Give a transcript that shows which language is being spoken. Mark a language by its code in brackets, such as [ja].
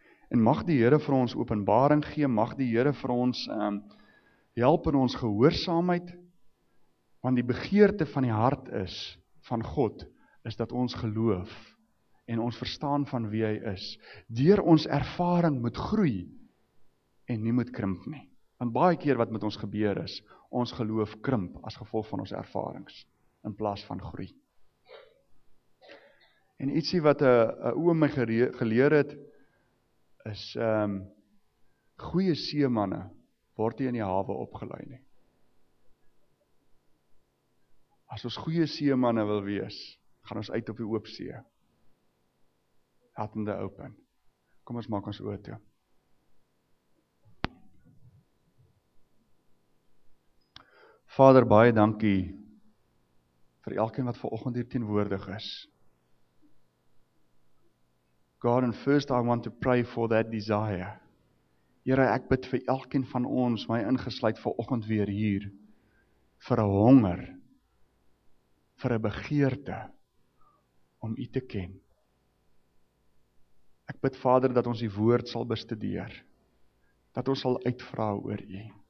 [af] En mag die Here vir ons openbaring gee, mag die Here vir ons help in ons gehoorsaamheid, want die begeerte van die hart is, van God, is dat ons geloof en ons verstaan van wie hy is, deur ons ervaring moet groei en nie moet krimp nie. Want baie keer wat met ons gebeur is, ons geloof krimp as gevolg van ons ervarings, in plaas van groei. En ietsie wat 'n oom my geleer het, is goeie seemanne word nie in die hawe opgelei nie. As ons goeie seemanne wil wees, gaan ons uit op die oop see. Hattende open. Kom ons maak ons oë toe. Vader, baie dankie vir elkeen wat vanoggend hier teenwoordig is. [en] God, and first I want to pray for that desire. [af] Here, ek bid vir elkeen van ons, my ingesluit vanoggend weer hier, vir 'n honger, vir 'n begeerte, om U te ken. Ek bid, Vader, dat ons die woord sal bestudeer, dat ons sal uitvra oor U.